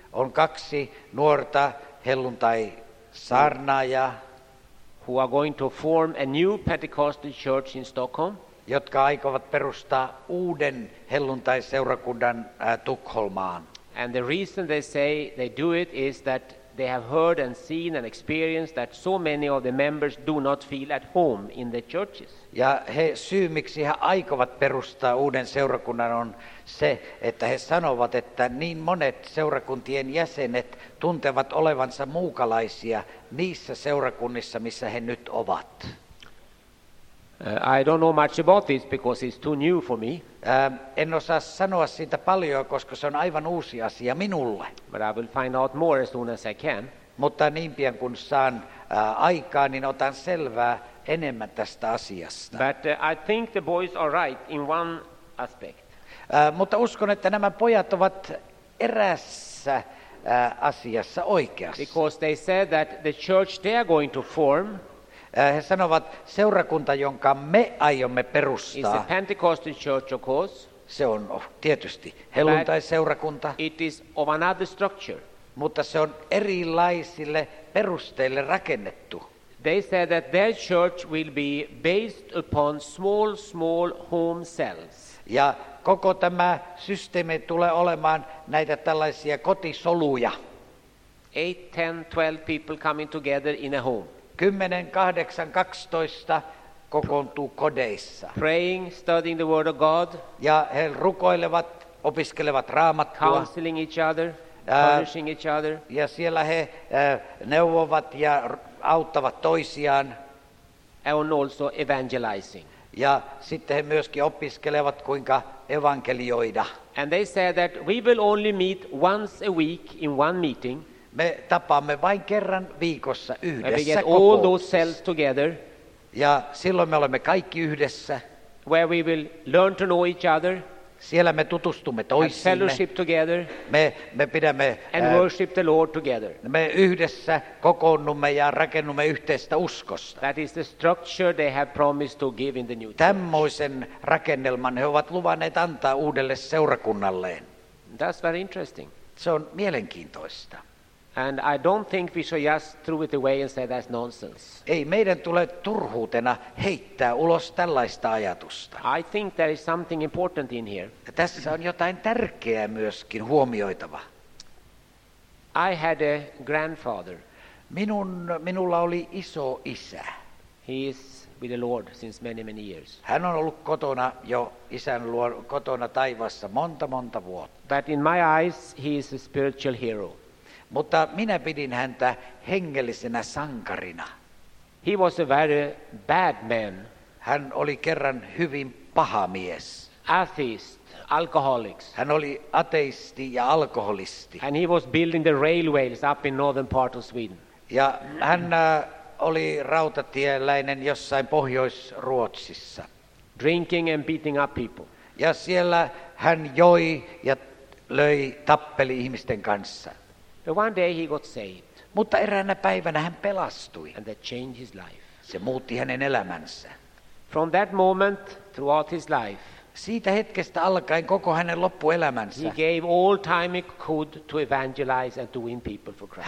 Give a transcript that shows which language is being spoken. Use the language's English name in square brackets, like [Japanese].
[Finnish] On kaksi nuorta helluntai saarnaajaa, [English] who are going to form a new Pentecostal church in Stockholm. [Finnish] Jotka aikovat perustaa uuden helluntai seurakunnan Tukholmaan. [English] And the reason they say they do it is that they have heard and seen and experienced that so many of the members do not feel at home in the churches. [Finnish] Ja he syy miksi he aikovat perustaa uuden seurakunnan on se, että he sanovat, että niin monet seurakuntien jäsenet tuntevat olevansa muukalaisia niissä seurakunnissa, missä he nyt ovat. [English] I don't know much about this because it's too new for me. [Finnish] En osaa sanoa siitä paljon, koska se on aivan uusi asia minulle. [English] But I will find out more as soon as I can. [Finnish] Mutta niin pian kun saan aikaa, niin otan selvää enemmän tästä asiasta. [English] But I think the boys are right in one aspect. [Finnish] Mutta uskon, että nämä pojat ovat erässä asiassa oikeassa. [English] Because they said that the church they are going to form. [Finnish] He sanovat, seurakunta, jonka me aiomme perustaa, [English] church, course, [Finnish] se on tietysti helluntai-seurakunta, [English] it is of another structure. [Finnish] Mutta se on erilaisille perusteille rakennettu. [English] They said that their church will be based upon small home cells. [Finnish] Ja koko tämä systeemi tulee olemaan näitä tällaisia kotisoluja. [English] 8, 10, 12 people coming together in a home. [Finnish] 10, 8, 12 kokoontuu kodeissa. [English] Praying, studying the word of God. [Finnish] Ja he rukoilevat, opiskelevat Raamattua. [English] Counseling each other, punishing each other. [Finnish] Ja siellä he neuvovat ja auttavat toisiaan. [English] And also evangelizing. [Finnish] Ja sitten he myöskin opiskelevat, kuinka evankelioida. [English] And they say that we will only meet once a week in one meeting. [Finnish] Me tapaamme vain kerran viikossa yhdessä. [English] We get all those cells together. [Finnish] Ja silloin me olemme kaikki yhdessä. [English] Where we will learn to know each other. [Finnish] Siellä me tutustumme toisiimme. [English] And fellowship together. [Finnish] Me pidämme [English] and worship the Lord together. [Finnish] Me yhdessä kokoonnumme ja rakennumme yhteistä uskosta. [English] That is the structure they have promised to give in the new church. [Finnish] Tämmöisen rakennelman he ovat luvanneet antaa uudelle seurakunnalleen. [English] That's very interesting. [Finnish] Se on mielenkiintoista. [English] And I don't think we should just throw it away and say that's nonsense. [Finnish] Ei meidän tule turhuutena heittää ulos tällaista ajatusta. [English] I think there is something important in here. [Finnish] Ja tässä on jotain tärkeää myöskin huomioitava. [English] I had a grandfather. [Finnish] Minulla oli iso isä. [English] He is with the Lord since many years. [Finnish] Hän on ollut kotona jo isän luo kotona taivassa monta vuotta. [English] But in my eyes he is a spiritual hero. [Finnish] Mutta minä pidin häntä hengellisenä sankarina. [English] He was a very bad man. [Finnish] Hän oli kerran hyvin paha mies. [English] Atheist, alcoholics. [Finnish] Hän oli ateisti ja alkoholisti. [English] And he was building the railways up in northern part of Sweden. [Finnish] Ja hän oli rautatieläinen jossain Pohjois-Ruotsissa. [English] Drinking and beating up people. [Finnish] Ja siellä hän joi ja löi tappeli ihmisten kanssa. [English] One day he got saved. [Finnish] Mutta eräänä päivänä hän pelastui. [English] And that changed his life. [Finnish] Se muutti hänen elämänsä. [English] From that moment throughout his life. [Finnish] Siitä hetkestä alkaen koko hänen loppuelämänsä. [English] He gave all time he could to evangelize and to win people for Christ.